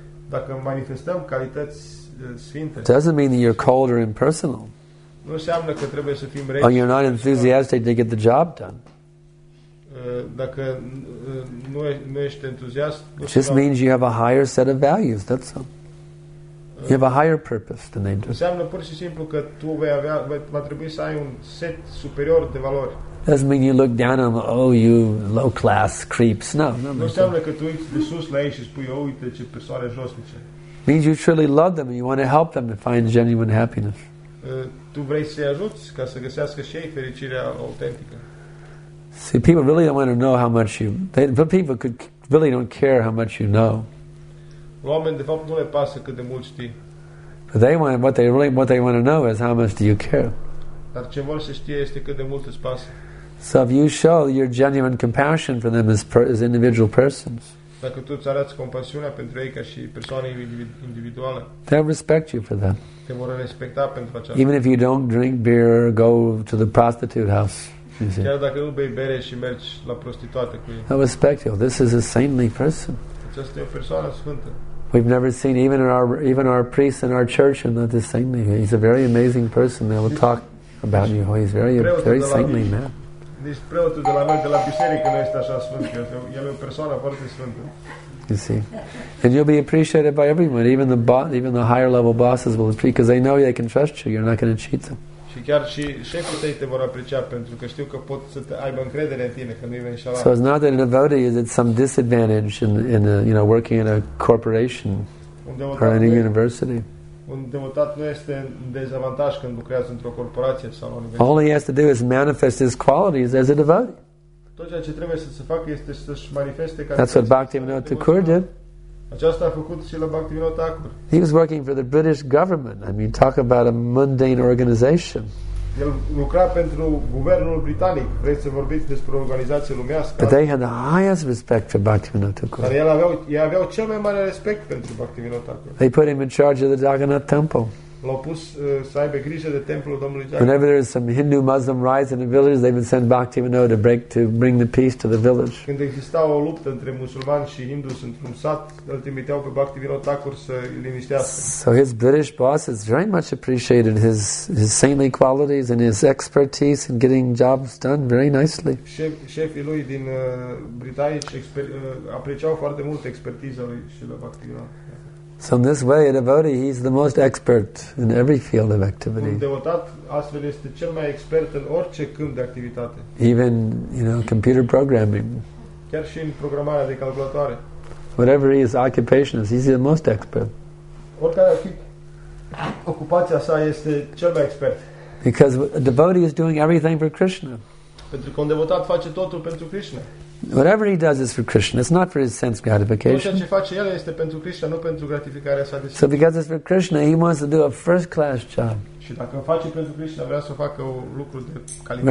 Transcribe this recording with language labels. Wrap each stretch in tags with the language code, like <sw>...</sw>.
<ro>Dacă manifestăm calități sfinte.</ro> <en>Doesn't mean that you're cold or impersonal.</en> <ro>Nu înseamnă că trebuie să fim reci.</ro> <en>Or you're not enthusiastic to get the job done.</en> <ro>Dacă nu ești entuziast,</ro> <en>just means you have a higher set of values. That's all. You have a higher purpose than they do.</en> <ro>Înseamnă pur și simplu că tu vei avea, va trebui să ai un set superior de valori.</ro> <en>Doesn't mean you look down on them, oh, you low class creeps. No, no.</en> <ro>Nu înseamnă că tu uiți de sus la ei și spui, oh, uite ce persoane josnice.</ro> <en>Means you truly love them and you want to help them to find genuine happiness.</en> <ro>Tu vrei să-i ajuți ca să găsească și ei fericirea autentică.</ro> <en>See, people really don't want to know how much you. People could really don't care how much you know.</en> <ro>Oamenii, de fapt, nu le pasă cât de mult știi.</ro> <en>But they want what they really what they want to know is how much do you care.</en> <ro>Dar ce vor să știe este cât de mult îți pasă.</ro> <en>So if you show your genuine compassion for them as individual persons.</en> <ro>Dacă tu îți arăți compasiunea pentru ei ca și persoane individuale.</ro> <en>They'll respect you for that.</en> <ro>Te vor respecta pentru aceasta.</ro> <en>Even if you don't drink beer, or go to the prostitute house.</en> <ro>Chiar dacă nu bei bere și mergi la prostituată cu ei.</ro> <en>They'll respect you. This is a saintly person.</en> <ro>Aceasta e o persoană sfântă.</ro> <en>We've never seen even our priest in our church and not this saintly. He's a very amazing person. They will talk about you. He's very saintly man.</en> <ro>Nici preotul de la noi de la biserică nu este așa sfânt. El e o persoană foarte sfântă.</ro> <en>You see, and you'll be appreciated by everyone, even the higher level bosses will appreciate because they know they can trust you. You're not going to cheat them.</en> <ro>Și chiar și șeful tău te vor aprecia pentru că știu că pot să te aibă încredere în tine că nu-i vei înșela.</ro> <en>So it's not that a devotee is at some disadvantage in a, you know, working in a corporation or in a university.</en> <ro>Un devotat nu este în dezavantaj când lucrează într-o corporație sau la universitate.</ro> <en>All he has to do is manifest his qualities as a devotee.</en> <ro>Tot ceea ce trebuie să se facă este să-și manifeste ca.</ro> <en>That's what Bhaktivinoda Thakur did.</en> <ro>Aceasta a făcut și la Bhaktivinoda Thakur.</ro> <en>He was working for the British government. I mean, talk about a mundane organization.</en> <ro>El lucra pentru guvernul britanic. Vreți să vorbiți despre o organizație lumească?</ro> <en>But they had the highest respect for Bhaktivinoda Thakur.</en> <ro>Dar ei aveau cel mai mare respect pentru Bhaktivinoda Thakur.</ro> <en>They put him in charge of the Jagannath Temple.</en> <ro>L-au pus să aibă grijă de templul Domnului Jagannath.</ro> <en>Whenever there is some Hindu Muslim riots in a village, they would send Bhaktivinoda to bring the peace to the village.</en> <ro>Când exista o luptă între musulmani și hindus într-un sat, îl trimiteau pe Bhaktivinoda Thakur să îi liniștească.</ro> <en>So his British bosses very much appreciated his saintly qualities and his expertise in getting jobs done very nicely.</en> <ro>Șefii lui din britanici apreciau foarte mult expertiza lui și la Bhaktivinoda.</ro> <en>So in this way, a devotee, he's the most expert in every field of activity.</en> <ro>Un devotat astfel este cel mai expert în orice câmp de activitate.</ro> <en>Even, you know, computer programming.</en> <ro>Chiar și în programarea de calculatoare.</ro> <en>Whatever his occupation is, he's the most expert.</en> <ro>Oricare ar fi ocupația sa, este cel mai expert.</ro> <en>Because a devotee is doing everything for Krishna.</en> <ro>Pentru că un devotat face totul pentru Krishna.</ro> <en>Whatever he does is for Krishna. It's not for his sense gratification.</en> <ro>Tot ce face el este pentru Krishna, nu pentru gratificarea sa de sine.</ro> <en>So because it's for Krishna, he wants to do a first-class job.</en> <ro>Și dacă face pentru Krishna, vrea să facă un lucru de calitate.</ro>